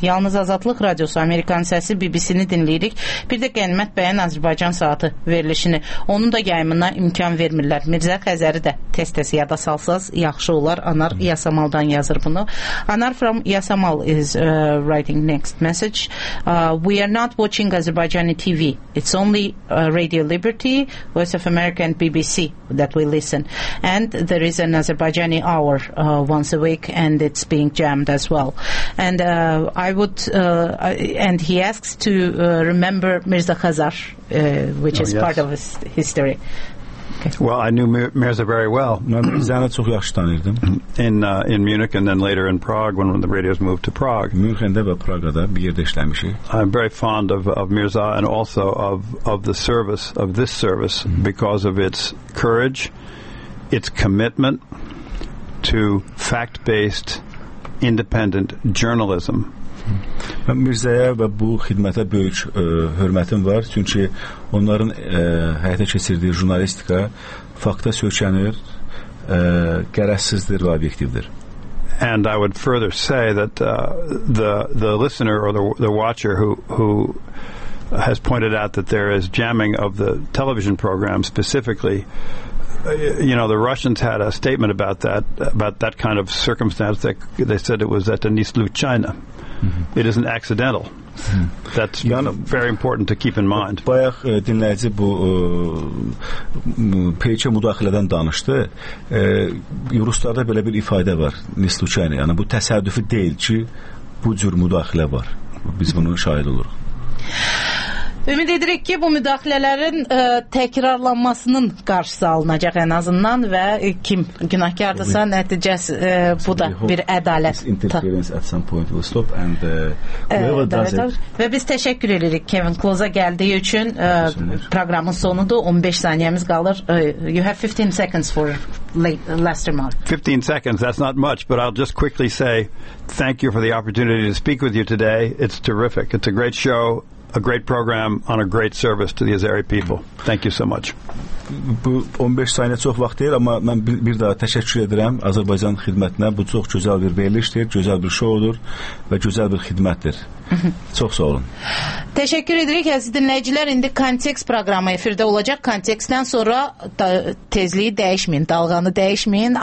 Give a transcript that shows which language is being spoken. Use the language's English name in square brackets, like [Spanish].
[Azerbaijani] Yalnız Azadlıq Radiosu, Amerikan Səsi BBC-ni dinləyirik. Bir də Qənimət Bəyən Azərbaycan Saatı verilişini. Onun da yayımına imkan vermirlər. Mirzə Xəzəri də tez-tez yada salsaz, yaxşı olar. Anar Yasamaldan yazır bunu. [English] Anar from Yasamal is writing next message. We are not watching Azerbaijani TV. It's only Radio Liberty, Voice of America and BBC that we listen. And there is an Azerbaijani hour once a week, and it's being jammed as well. And and he asks to remember Mirza Khazar, which is part of his history. Okay. Well, I knew Mirza very well. in Munich and then later in Prague when the radios moved to Prague. [Turkish] München'de ve Praga'da bir yerde işlemişi. [English] I'm very fond of Mirza and also of the service, of this service, because of its courage, its commitment to fact-based, independent journalism. [Azerbaijani] Mən Mirza'ya və bu xidmətə böyük hörmətim var, çünki onların həyata keçirdiyi jurnalistika fakta söykənir, qərəzsizdir və obyektivdir. [English] And I would further say that the listener or the watcher who has pointed out that there is jamming of the television program specifically, you know, the Russians had a statement about that kind of circumstance. They said it was at Denizli, China. It isn't accidental. That's very important to keep in mind. [Azerbaijani] Bayaq dinləyici bu peçə müdaxilədən danışdı. Ruslarda belə bir ifadə var. Nislucayna. Yəni bu təsadüfi deyil ki, bu cür müdaxilə var. Biz bunun şahid oluruq. Ümid edirik ki, bu müdaxilələrin təkrarlanmasının qarşısı alınacaq ən azından və kim günahkardırsa nəticəsi bu da bir ədalət. Və biz təşəkkür edirik Kevin Close-a gəldiyi üçün. Programın sonudur. 15 saniyəmiz qalır. [English] You have 15 seconds for last remark. 15 seconds, that's not much, but I'll just quickly say thank you for the opportunity to speak with you today. It's terrific. It's a great show. a great program on a great service to the Azeri people. Thank you so much. [Azerbaijani] Bu 15 saniye çox vaxt deyil, amma mən bir daha təşəkkür edirəm Azərbaycan xidmətinə. Bu çox gözəl bir verilişdir, gözəl bir şoudur və gözəl bir xidmətdir. Çox sağ olun. Təşəkkür edirik, əziz dinləyicilər. İndi kontekst proqramı efirdə olacaq. Kontekstdən sonra tezliyi dəyişməyin, dalğanı dəyişməyin.